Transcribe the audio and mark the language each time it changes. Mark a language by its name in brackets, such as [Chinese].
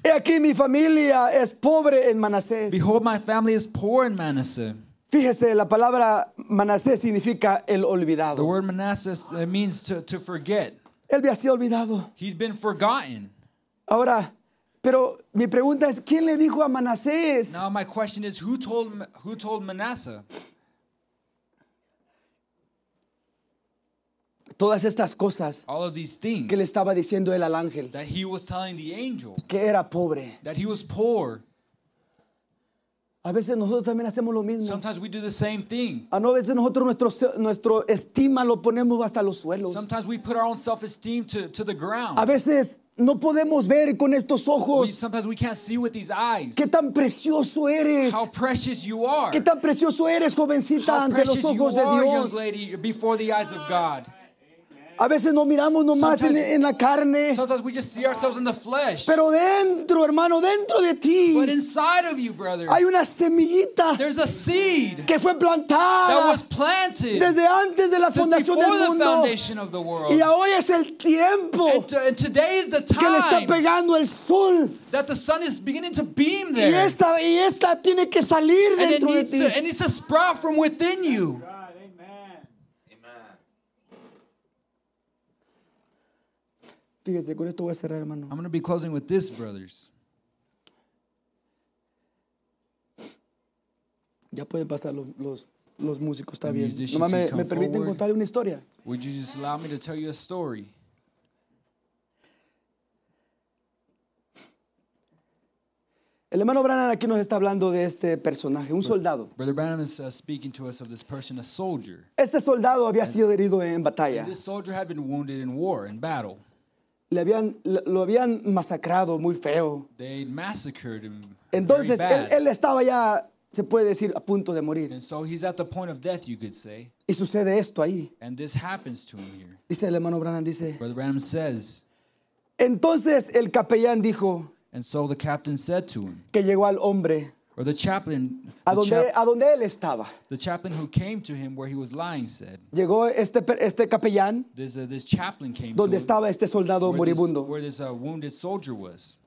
[Spanish] He aquí mi familia es pobre en Manasés. [English] Behold, my family is poor in Manasseh. [Spanish] Fíjese, la palabra Manasés significa el olvidado. [English] The word Manasseh means to forget. [Spanish] Él había sido olvidado. [English] He'd been forgotten. [Spanish] Ahora, pero mi pregunta es, ¿quién le dijo a Manasés? [English] Now my question is, who told Manasseh? [Spanish] Todas estas cosas. [English] All of these things. [Spanish] Que le estaba diciendo él al ángel. [English] That he was telling the angel. [Spanish] Que era pobre. [English] That he was poor. [Spanish] A veces nosotros también hacemos lo mismo. [English] Sometimes we do the same thing. [Spanish] A veces nosotros nuestro estima lo ponemos hasta los suelos. [English] Sometimes we put our own self-esteem to the ground. [Spanish] A veces no podemos ver con estos ojos. [English] Sometimes we can't see with these eyes. [Spanish] Qué tan precioso eres. [English] How precious you are. [Spanish] Qué tan precioso eres, jovencita, ante los ojos de Dios. [English] How precious you are, young lady, before the eyes of God. [Spanish] A veces no miramos nomás en la carne. [English] Sometimes we just see ourselves in the flesh. [Spanish] Pero dentro, hermano, dentro de ti. [English] But inside of you, brother. [Spanish] Hay una semillita. [English] There's a seed. [Spanish] Que fue plantada. [English] That was planted. [Spanish] Desde antes de la fundación del mundo. [English] Before the foundation of the world. [Spanish] Y hoy es el tiempo. [English] And today is the time. [Spanish] Que le está pegando el sol. [English] That the sun is beginning to beam there. [Spanish] Y esta tiene que salir dentro de ti. [English] And it needs to sprout from within you. [Spanish] Fíjese, con esto voy a cerrar, hermano. [English] I'm going to be closing with this, brothers. [Spanish] Ya pueden pasar los músicos, está bien. ¿Me permiten contarle una historia? [English] Would you just allow me to tell you a story? [Spanish] El hermano Branham aquí nos está hablando de este personaje, un soldado. [English] Brother Branham is speaking to us of this person, a soldier. [Spanish] Este soldado había sido herido en batalla. [English] This soldier had been wounded in war, in battle. [Spanish] Lo habían masacrado muy feo. [English] They massacred him. [Spanish] Entonces [English] very bad. [Spanish] Él estaba ya, se puede decir, a punto de morir. [English] And so he's at the point of death, you could say. [Spanish] Y sucede esto ahí. [English] And this happens to him here. [Spanish] Dice el hermano Branham, dice. [English] Brother Branham says. [Spanish] Entonces el capellán dijo. [English] And so the captain said to him. [Spanish] Que llegó al hombre. [English] Or the chaplain. [Spanish] A donde él estaba. [English] The chaplain who came to him where he was lying said. [Spanish] Llegó este capellán. [English] This chaplain came [Spanish] donde [English] to [Spanish] estaba este soldado [English] where [Spanish] moribundo. [English] This wounded soldier was.